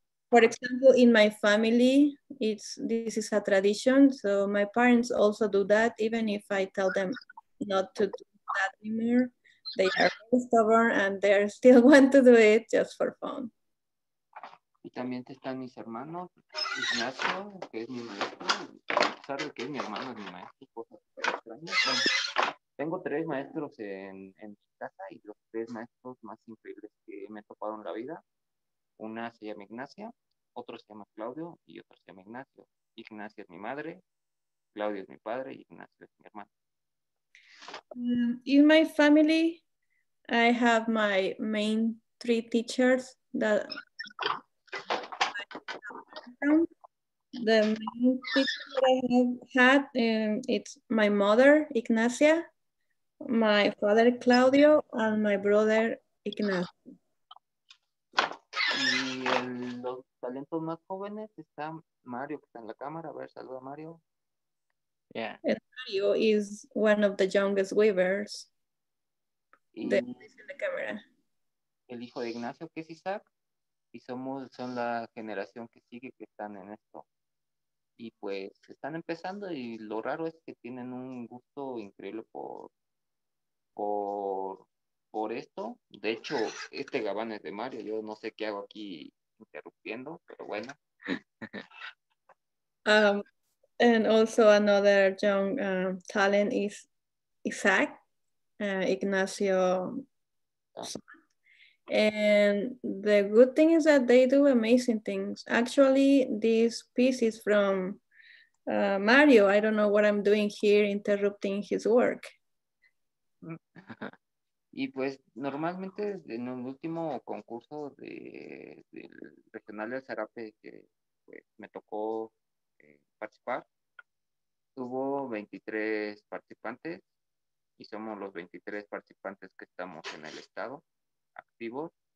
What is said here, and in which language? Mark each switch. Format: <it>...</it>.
<en>For example, in my family, this is a tradition. So my parents also do that, even if I tell them not to do that anymore. They are very stubborn and they are still want to do it just for fun.</en> <es>Y también están mis hermanos, Ignacio, que es mi maestro. A pesar de que es mi hermano, es mi maestro. Tengo 3 maestros en mi casa y los 3 maestros más increíbles que me he topado en la vida. Una se llama Ignacia, otro se llama Claudio y otro se llama Ignacio. Ignacia es mi madre, Claudio es mi padre y Ignacio es mi hermano.</es> <en>In my family, I have my main 3 teachers. The main teacher that I have had, it's my mother, Ignacia, my father, Claudio, and my brother, Ignacio.</en> <es>Y los talentos más jóvenes está Mario, que está en la cámara. A ver, saluda a Mario.</es> <en>Yeah. Mario is one of the youngest weavers.</en> <es>El hijo de Ignacio, que es Isaac. Y son la generación que sigue, que están en esto. Y pues están empezando. Y lo raro es que tienen un gusto increíble por esto. De hecho, este gabán es de Mario. Yo no sé qué hago aquí interrumpiendo, pero bueno.</es> <en>And also another young talent is Isaac, Ignacio. And the good thing is that they do amazing things. Actually, this piece is from Mario. I don't know what I'm doing here interrupting his work.</en> <es>Y pues normalmente en un último concurso de regional del Zarape que pues, me tocó participar, tuvo 23 participantes y somos los 23 participantes que estamos en el estado activos.</es>